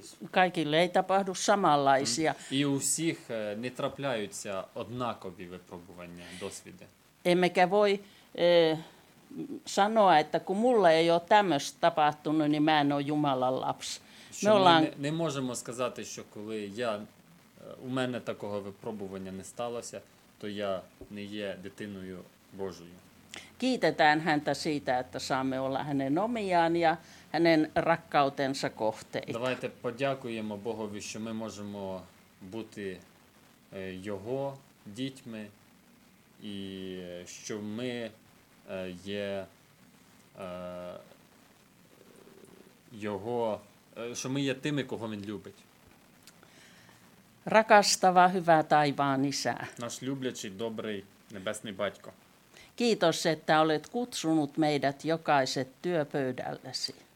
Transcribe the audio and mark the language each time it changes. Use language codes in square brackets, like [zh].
[fi] Kaikille ei tapahdu samanlaisia. [uk] І у всіх не трапляються однакові випробування, досвіди. [fi] Emmekä voi sanoa, että kun mulle ei ole tämmöistä tapahtunut, niin mä en ole Jumalan lapsi. Me ollaan... [uk] не можемо сказати, що коли я у мене такого випробування не сталося, то я не є дитиною Божою. [fi] Kiitetään häntä siitä, että saamme olla hänen omiaan ja hänen rakkautensa kohteita. [uk] Давайте подякуємо Богові, що ми можемо бути його дітьми і що ми є його, що ми є тими, кого він любить. [fi] Rakastava hyvä taivaan isä. [uk] Nas люблячий добрий небесний батько. [fi] Kiitos, että olet kutsunut meidät jokaiset työpöydällesi.